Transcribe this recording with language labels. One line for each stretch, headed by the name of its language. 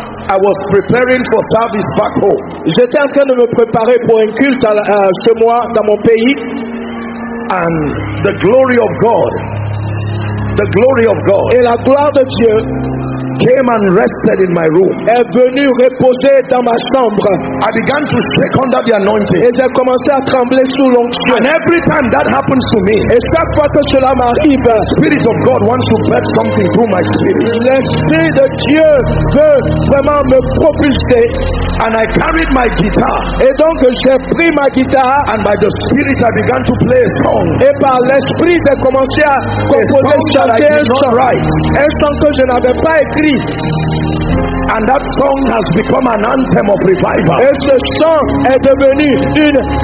English: I was preparing for service back home.
French: J'étais en train de me préparer pour un culte à, chez moi, dans mon pays.
English: And the glory of God, the glory of God.
French: Et la gloire de Dieu.
English: Came and rested in my room.
French: Est venu reposer dans ma chambre.
English: I began to shake under the anointing.
French: Et j'ai commencé à trembler sous l'onction.
English: And every time that happens to me,
French: et chaque fois que cela m'arrive,
English: the Spirit of God wants to birth something through my spirit.
French: L'Esprit de Dieu veut vraiment me propulser.
English: And I carried my guitar.
French: Et donc j'ai pris ma guitare.
English: And by the Spirit I began to play a song.
French: Et par l'Esprit j'ai commencé à composer chanter un
English: song.
French: Un song que je n'avais pas écrit.
English: And that song has become an anthem of revival.
French: Et ce chant est devenu une